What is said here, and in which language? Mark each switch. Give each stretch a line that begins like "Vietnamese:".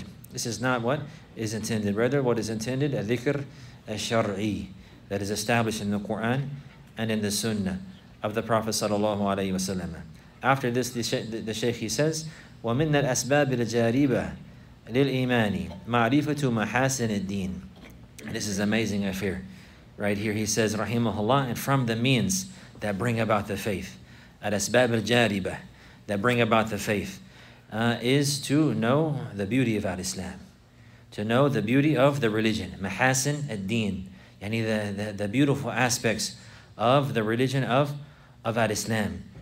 English: This is not what is intended. Rather, what is intended, a dhikr al-shar'i, that is established in the Qur'an and in the sunnah of the Prophet sallallahu alayhi wa sallam. After this, the shaykh, he says,
Arabic: وَمِنَّ الْأَسْبَابِ الْجَارِبَةِ لِلْإِيمَانِ مَعْرِفَةُ مَحَاسِنِ الدِّينِ.
English: This is amazing affair. Right here he says, Rahimahullah, and from the means that bring about the faith, al-asbab al-jariba, that bring about the faith, is to know the beauty of al-Islam, to know the beauty of the religion, mahasin al-deen, yani the beautiful aspects of the religion of al-Islam.